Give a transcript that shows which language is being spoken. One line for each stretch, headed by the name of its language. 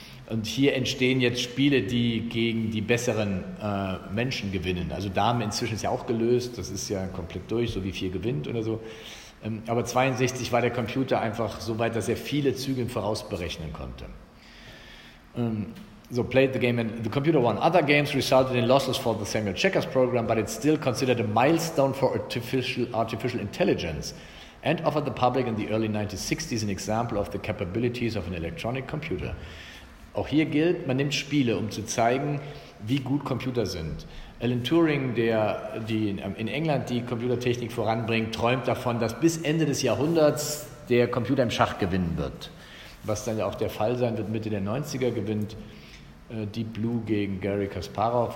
German: Und hier entstehen jetzt Spiele, die gegen die besseren Menschen gewinnen. Also Dame inzwischen ist ja auch gelöst, das ist ja komplett durch, so wie 4 gewinnt oder so. Aber 62 war der Computer einfach so weit, dass er viele Züge vorausberechnen konnte.
English: So played the game and the computer won. Other games resulted in losses for the Samuel Checkers program, but it's still considered a milestone for artificial intelligence and offered the public in the early 1960s an example of the capabilities of an electronic computer.
German: Auch hier gilt, man nimmt Spiele, um zu zeigen, wie gut Computer sind. Alan Turing, der in England die Computertechnik voranbringt, träumt davon, dass bis Ende des Jahrhunderts der Computer im Schach gewinnen wird. Was dann ja auch der Fall sein wird, Mitte der 90er gewinnt Deep Blue gegen Garry Kasparov.